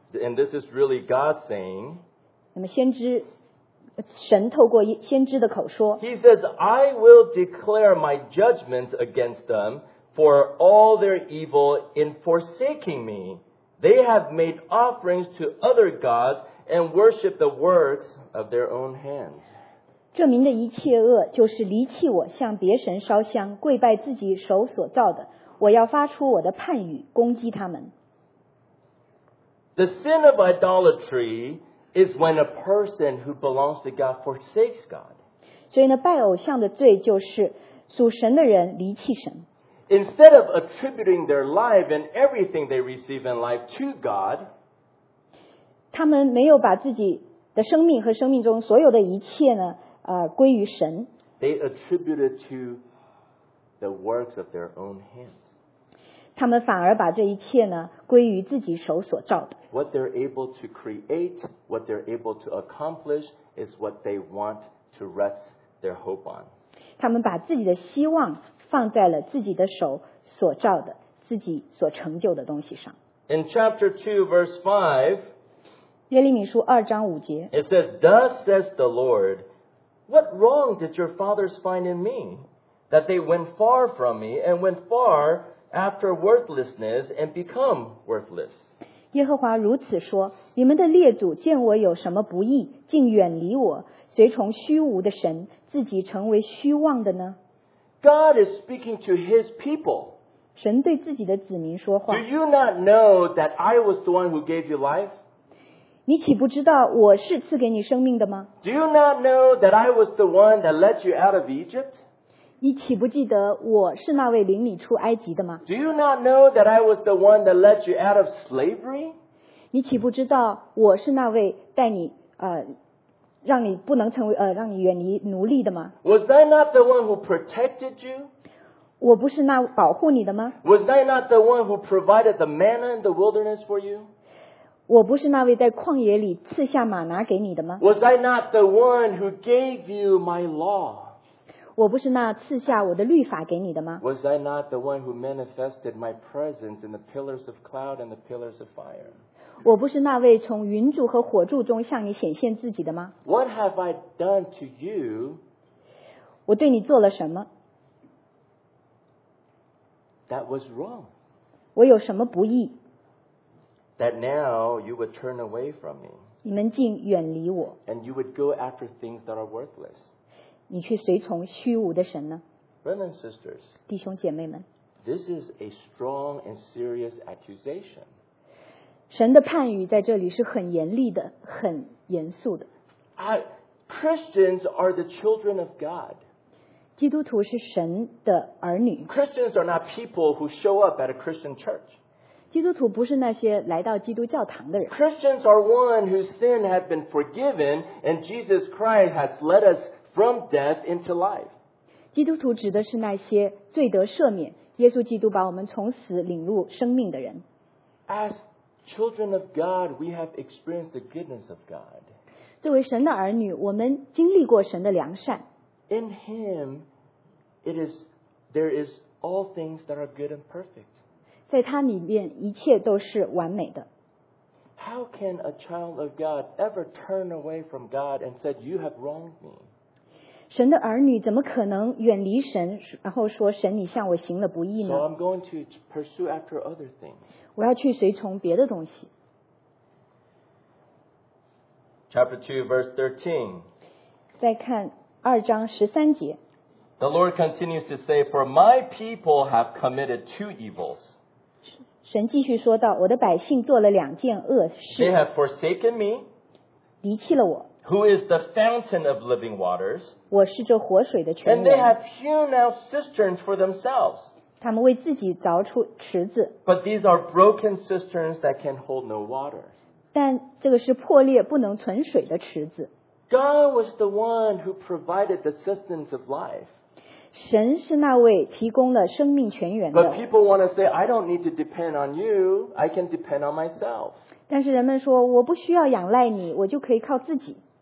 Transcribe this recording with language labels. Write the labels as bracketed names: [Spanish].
[English] and this is really God saying, [Chinese] 那么先知，神透过先知的口说 [English] he says, I will declare my judgments against them for all their evil in forsaking me. They have made offerings to other gods and worship the works of their own hands. [Chinese] 这民的一切恶就是离弃我向别神烧香跪拜自己手所造的我要发出我的判语攻击他们 [English] The sin of idolatry is when a person who belongs to God forsakes God [Chinese] 所以呢拜偶像的罪就是属神的人离弃神 [English] Instead of attributing their life and everything they receive in life to God [Chinese] 他们没有把自己的生命和生命中所有的一切呢归于神 [English] They attributed to the works of their own hands. [Chinese] 他们反而把这一切呢归于自己手所造的 [English] What they're able to create, what they're able to accomplish is what they want to rest their hope on. [Chinese] 他们把自己的希望放在了自己的手所造的自己所成就的东西上 [English] In chapter 2 verse 5 [Chinese] 耶利米书二章五节 [English] It says, Thus says the Lord,What wrong did your fathers find in me, that they went far from me and went far after worthlessness and become worthless? [Chinese] 耶和华如此说，你们的列祖见我有什么不义，竟远离我，随从虚无的神，自己成为虚妄的呢？ [English] God is speaking to his people. [Chinese] 神对自己的子民说话。 [English] Do you not know that I was the one who gave you life? [Chinese] 你岂不知道我是赐给你生命的吗？ [English] Do you not know that I was the one that led you out of Egypt? [Chinese] 你岂不记得我是那位领你出埃及的吗？ [English] Do you not know that I was the one that led you out of slavery? [Chinese] 你岂不知道我是那位带你让你不能成为让你远离奴隶的吗？ [English] Was I not the one who protected you? [Chinese] 我不是那保护你的吗？ [English] Was I not the one who provided the manna in the wilderness for you? [Chinese] 我不是那位在旷野里赐下玛拿给你的吗？ [English] Was I not the one who gave you my law? [Chinese] 我不是那赐下我的律法给你的吗？ [English] Was I not the one who manifested my presence in the pillars of cloud and the pillars of fire? [Chinese] 我不是那位从云柱和火柱中向你显现自己的吗？ [English] What have I done to you? [Chinese] 我对你做了什么？ [English] That was wrong. [Chinese] 我有什么不义？ [English] That now you would turn away from me. [Chinese] 你们竟远离我。 [English] And you would go after things that are worthless. [Chinese] 你去随从虚无的神呢？ [English] Brothers and sisters, [Chinese] 弟兄姐妹们， [English] This is a strong and serious accusation. [Chinese] 神的判语在这里是很严厉的，很严肃的。 [English] Christians are the children of God. [Chinese] 基督徒是神的儿女。 [English] Christians are not people who show up at a Christian church. [Chinese] 基督徒不是那些来到基督教堂的人。 [English] Christians are one whose sin has been forgiven and Jesus Christ has led us from death into life. [Chinese] 基督徒指的是那些罪得赦免，耶稣基督把我们从死领入生命的人。 [English] Children of God, we have experienced the goodness of God. [Chinese] 作为神的儿女，我们经历过神的良善。 [English] In Him, there is all things that are good and perfect. [Chinese] 在他里面，一切都是完美的。 [English] How can a child of God ever turn away from God and said, "You have wronged me"? [Chinese] 神的儿女怎么可能远离神，然后说神你向我行了不义呢？ [English] So I'm going to pursue after other things. [Chinese] 我要去随从别的东西。 [English] Chapter 2, verse 13. [Chinese] 再看二章十三节。 [English] The Lord continues to say, For my people have committed two evils. [Chinese] 神继续说道，我的百姓做了两件恶事。 [English] They have forsaken me. [Chinese] 离弃了我。 [English] Who is the fountain of living waters. [Chinese] 我是这活水的泉源。 [English] And they have hewn out cisterns for themselves. [Chinese] 他们为自己凿出池子。 [English] But these are broken cisterns that can hold no water. [Chinese] 但这个是破裂不能存水的池子。 [English] God was the one who provided the cisterns of life. [Chinese] 神是那位提供了生命泉源的。 [English] But people want to say, I don't need to depend on you, I can depend on myself. [Chinese] 但是人们说，我不需要仰赖你，我就可以靠自己。